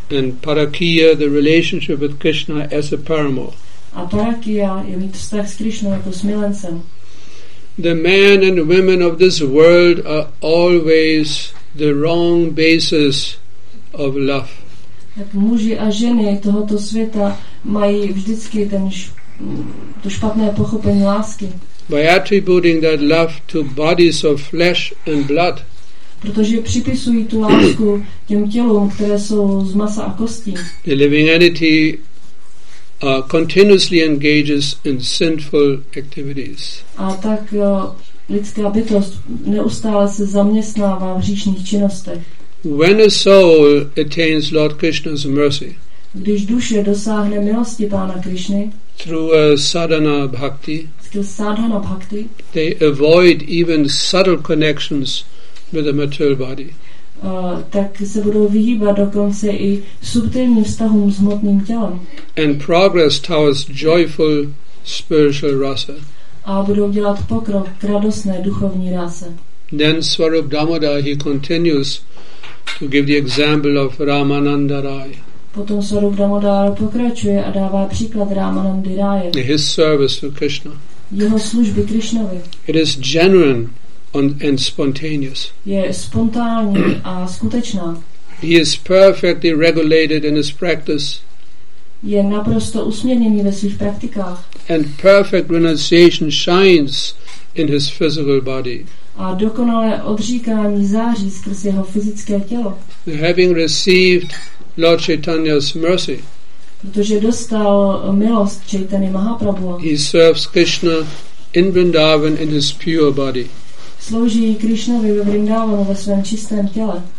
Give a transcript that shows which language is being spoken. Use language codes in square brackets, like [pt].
[en] And Parakiya, the relationship with Krishna as a paramo. [cs] A Parakiya je mít vztah s Krishnou jako s milencem. [en] The men and women of this world are always the wrong basis of love. [cs] Tak muži a ženy tohoto světa mají vždycky to špatné pochopení lásky. [en] By attributing that love to bodies of flesh and blood. [cs] Protože připisují tu lásku těm tělům, které jsou z masa a kostí. [en] The living entity continuously engages in sinful activities. [cs] A tak lidská bytost neustále se zaměstnává v hříšných činnostech. [en] When a soul attains Lord Krishna's mercy. [cs] Když duše dosáhne milosti Pána Krishny. [en] Through a sadhana bhakti. [cs] Skrz sadhana bhakti. [en] They avoid even subtle connections with the material body. [cs] Tak se budou vyhýbat dokonce i subtilním vztahům s hmotným tělem. [en] And progress towards joyful spiritual rasa. [cs] A budou dělat pokrok k radostné duchovní rase. [en] Then Swarup Damodar, he continues to give the example of Ramananda Raya. [cs] Potom Swarup Damodar pokračuje a dává příklad Ramanandy Raya. [en] His service to Krishna. [cs] Jeho služby Krishnovi. [en] It is genuine and spontaneous. [cs] Je spontánní a skutečná. [en] He is perfectly regulated in his practice. [cs] Je naprosto usměrněný ve svých praktikách. [en] And perfect renunciation shines in his physical body. [cs] A dokonalé odříkání září skrz jeho fyzické tělo. [en] Having received Lord Chaitanya's mercy. [cs] Protože dostal milost Chaitany Mahaprabhu. [en] He serves Krishna in Vrindavan in his pure body. [cs] Slouží Krishnovi ve Vrindavanu ve svém čistém těle.